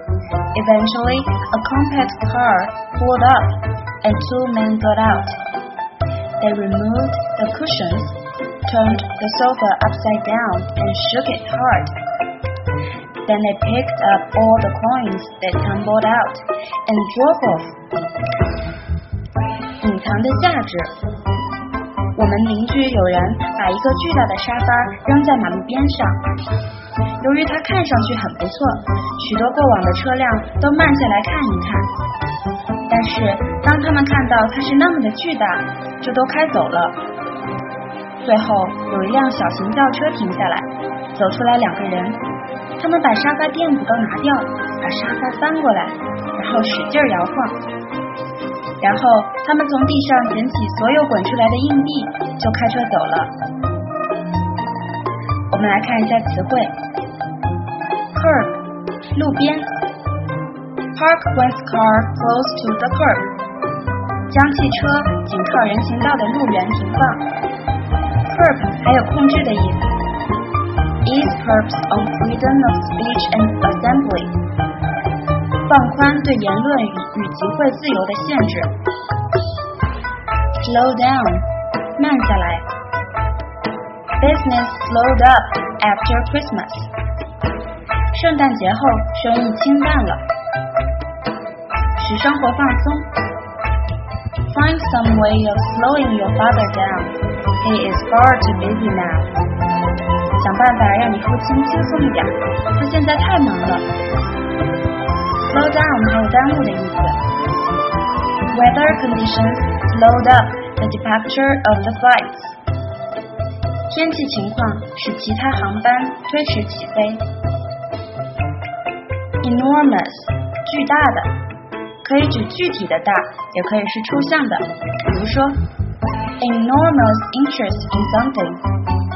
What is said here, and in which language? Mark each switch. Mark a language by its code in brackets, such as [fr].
[en] Eventually, a compact car pulled up and two men got out. They removed the cushions, turned the sofa upside down and shook it hard. Then they picked up all the coins that tumbled out and drove off. [zh] 隐藏的价值。我们邻居有人把一个巨大的沙发扔在马路边上。由于它看上去很不错，许多过往的车辆都慢下来看一看。但是当他们看到它是那么的巨大，就都开走了。最后有一辆小型轿车停下来，走出来两个人。他们把沙发垫子都拿掉，把沙发翻过来，然后使劲摇晃。然后他们从地上捡起所有滚出来的硬币，就开车走了。我们来看一下词汇 curb 路边 [en] park one's car close to the curb [zh] 将汽车紧靠人行道的路缘停放 curb 还有控制的意思。 [en] Ease curbs on freedom of speech and assembly. [zh] 放宽对言论与集会自由的限制。 [en] Slow down, [zh] 慢下来。 [en] Business slowed up after Christmas. [zh] 圣诞节后生意清淡了。使生活放松。 [en] Find some way of slowing your father down. He is far too busy now. [zh] 想办法让你父亲轻松一点，他现在太忙了。 Slow down 没有耽误的意思。 [en] Weather conditions slowed up the departure of the flights. [zh] 天气情况使其他航班推迟起飞。 Enormous 巨大的，可以指具体的大，也可以是抽象的，比如说 [en] Enormous interest in something.